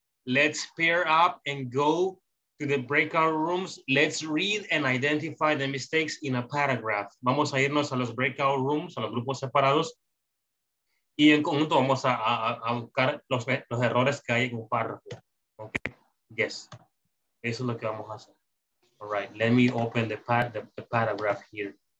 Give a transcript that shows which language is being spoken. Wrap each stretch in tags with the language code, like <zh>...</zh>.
<en>Let's pair up and go to the breakout rooms. Let's read and identify the mistakes in a paragraph.</en> <es>Vamos a irnos a los breakout rooms, a los grupos separados. Y en conjunto vamos a buscar los errores que hay en un párrafo. Okay, yes. Eso es lo que vamos a hacer.</es> <en>All right, let me open the paragraph here.</en>